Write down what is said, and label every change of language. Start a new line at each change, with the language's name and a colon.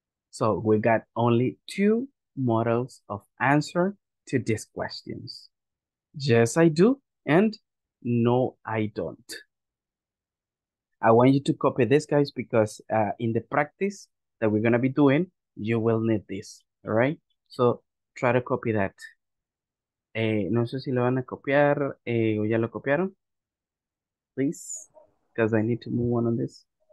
English: So we got only two models of answer to these questions. Yes, I do, and no, I don't. I want you to copy this, guys, because in the practice that we're going to be doing, you will need this, all right? So try to copy that.
Spanish: No sé si lo van a copiar o ya lo copiaron.
English: Please, because I need to move on this.